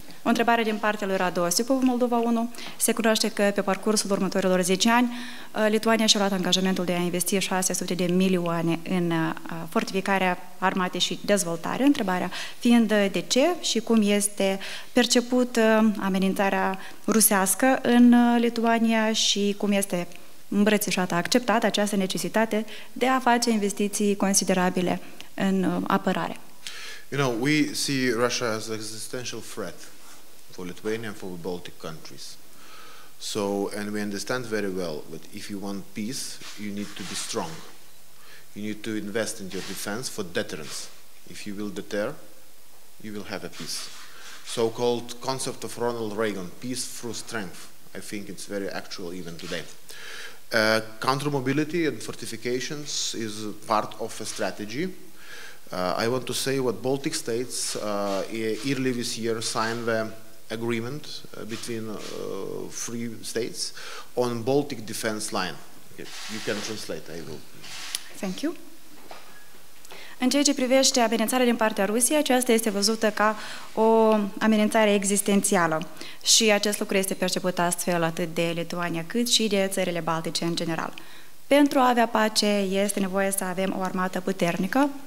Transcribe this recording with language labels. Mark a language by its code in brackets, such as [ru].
[ro] O întrebare din partea lui Radu Osipov, Moldova 1. Se cunoaște că pe parcursul următorilor 10 ani, Lituania și-a luat angajamentul de a investi 600 de milioane în fortificarea armate și dezvoltare. Întrebarea fiind de ce și cum este perceput amenințarea rusească în Lituania și cum este îmbrățișată, acceptată această necesitate de a face investiții considerabile în apărare. [en] You know, we see Russia as an existential threat for Lithuania and for the Baltic countries. So, and we understand very well that if you want peace, you need to be strong. You need to invest in your defense for deterrence. If you will deter, you will have a peace. So-called concept of Ronald Reagan, peace through strength. I think it's very actual even today. Counter-mobility and fortifications is part of a strategy. I want to say what Baltic states early this year signed the agreement between three states on Baltic defense line. You can translate, I will. Thank you. [ro] În ceea ce privește amenințarea din partea Rusiei, aceasta este văzută ca o amenințare existențială. Și acest lucru este perceput astfel atât de Lituania cât și de țările baltice în general. Pentru a avea pace este nevoie să avem o armată puternică.